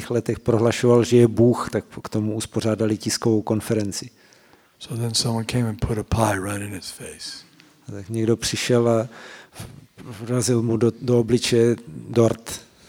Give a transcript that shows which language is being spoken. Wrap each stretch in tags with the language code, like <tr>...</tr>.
<cs>letech prohlašoval, že je Bůh, tak k tomu uspořádali tiskovou konferenci.</cs> <en>So then someone came and put a pie right in his face.</en> <cs>Tak někdo přišel a vrazil mu do obliče dort.</cs>